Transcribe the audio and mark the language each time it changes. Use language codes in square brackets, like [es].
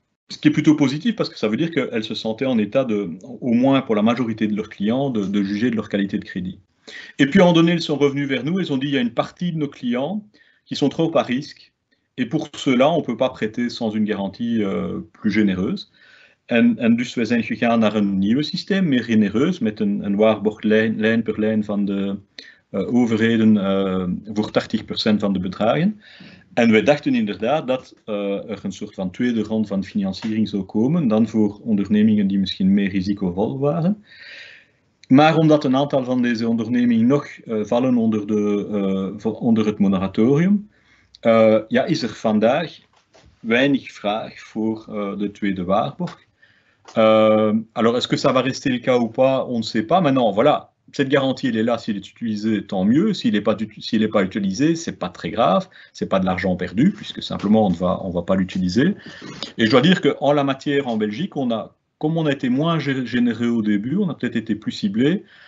[fr] Ce qui est plutôt positif parce que ça veut dire qu'elles se sentaient en état, au moins pour la majorité de leurs clients, de juger de leur qualité de crédit. Et puis, en donnée, elles sont revenues vers nous. Elles ont dit qu'il y a une partie de nos clients qui sont trop à risque. Et pour cela, on ne peut pas prêter sans une garantie plus généreuse. [nl] En dus we zijn gegaan naar een nieuw systeem, meer généreuse, met een waarborglijn per lijn van de overheden voor 80% van de bedragen. En wij dachten inderdaad dat er een soort van tweede rand van financiering zou komen, dan voor ondernemingen die misschien meer risicovol waren. Maar omdat een aantal van deze ondernemingen nog vallen onder het moratorium, is er vandaag weinig vraag voor de tweede waarborg. [fr] Alors, est-ce que ça va rester le cas ou pas? On ne sait pas. Maintenant, voilà. Cette garantie, elle est là, s'il est utilisé, tant mieux. S'il n'est pas utilisé, ce n'est pas très grave. Ce n'est pas de l'argent perdu, puisque simplement, on ne va pas l'utiliser. Et je dois dire qu'en la matière, en Belgique, comme on a été moins généreux au début, on a peut-être été plus ciblé.